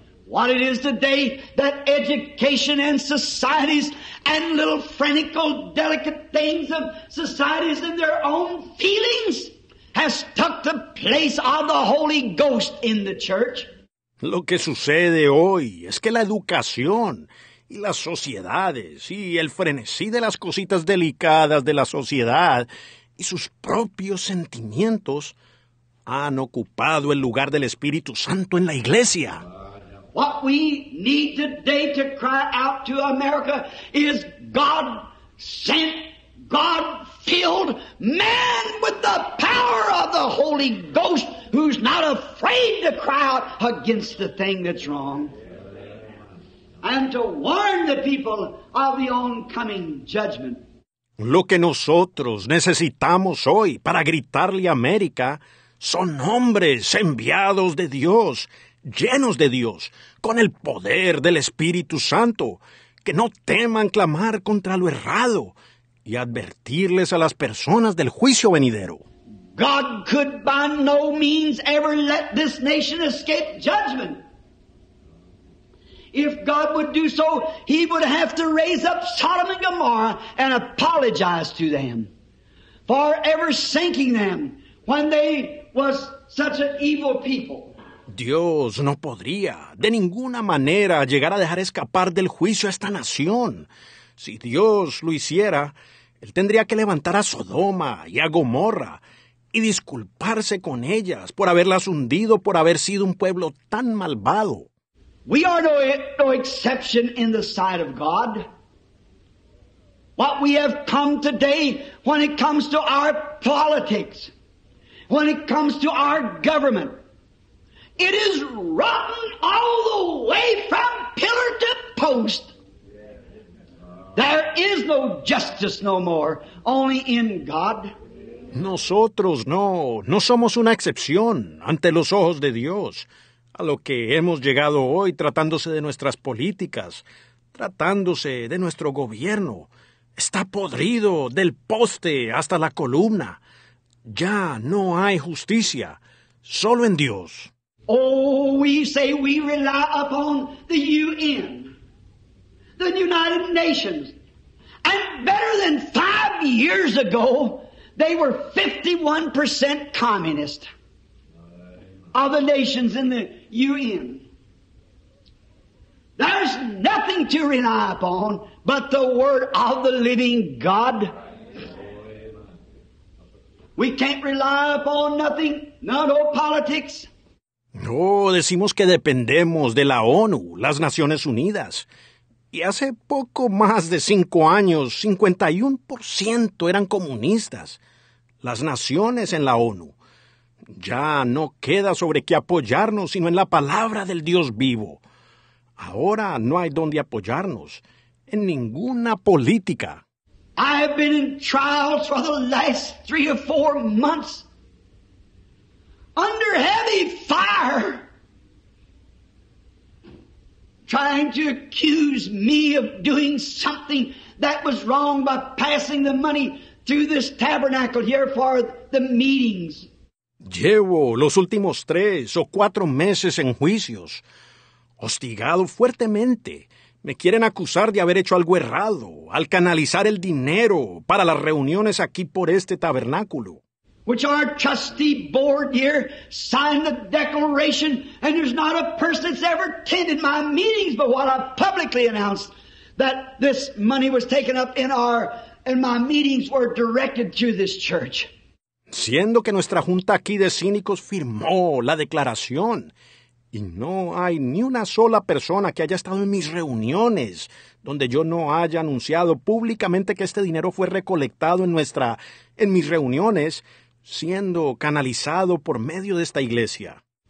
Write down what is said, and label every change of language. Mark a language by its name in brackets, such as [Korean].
[English] What it is today that education and societies and little frantic, delicate things of societies and their own feelings has took the place of the Holy Ghost in the church. [Spanish] Lo que sucede hoy es que la educación y las sociedades y el frenesí de las cositas delicadas de la sociedad y sus propios sentimientos han ocupado el lugar del Espíritu Santo en la iglesia. [English] What we need today to cry out to America is God sent, God filled man with the power of the Holy Ghost who's not afraid to cry out against the thing that's wrong and to warn the people of the oncoming judgment. [Spanish] Lo que nosotros necesitamos hoy para gritarle a América son hombres enviados de Dios, llenos de Dios, con el poder del Espíritu Santo, que no teman clamar contra lo errado y advertirles a las personas del juicio venidero. [English] God could by no means ever let this nation escape judgment. If God would do so, he would have to raise up Sodom and Gomorrah and apologize to them for ever sinking them when they was such an evil people. [Spanish] Dios no podría, de ninguna manera, llegar a dejar escapar del juicio a esta nación. Si Dios lo hiciera, Él tendría que levantar a Sodoma y a Gomorra y disculparse con ellas por haberlas hundido, por haber sido un pueblo tan malvado. [English] We are no exception in the sight of God. What we have come today when it comes to our politics, when it comes to our government, it is rotten all the way from pillar to post. There is no justice no more, only in God. [Spanish] Nosotros no somos una excepción ante los ojos de Dios a lo que hemos llegado hoy tratándose de nuestras políticas, tratándose de nuestro gobierno. Está podrido del poste hasta la columna. Ya no hay justicia, solo en Dios. [English] Oh, we say we rely upon the UN, the United Nations. And better than 5 years ago, they were 51% communist of the nations in the UN. There's nothing to rely upon but the word of the living God. We can't rely upon nothing, not all politics. [Spanish] No, decimos que dependemos de la ONU, las Naciones Unidas. Y hace poco más de 5 años, 51% eran comunistas, las naciones en la ONU. Ya no queda sobre qué apoyarnos sino en la palabra del Dios vivo. Ahora no hay dónde apoyarnos, en ninguna política. [English] I have been in trials for the last 3 or 4 months. Under heavy fire, trying to accuse me of doing something that was wrong by passing the money through this tabernacle here for the meetings. [Spanish] Llevo los últimos 3 o 4 meses en juicios, hostigado fuertemente. Me quieren acusar de haber hecho algo errado al canalizar el dinero para las reuniones aquí por este tabernáculo. [English] Which our trustee board here signed the declaration, and there's not a person that's ever attended my meetings but what I publicly announced that this money was taken up in our, and my meetings were directed to this church. [Spanish] Siendo que nuestra junta aquí de cínicos firmó la declaración, y no hay ni una sola persona que haya estado en mis reuniones donde yo no haya anunciado públicamente que este dinero fue recolectado en mis reuniones, siendo canalizado por medio de esta iglesia.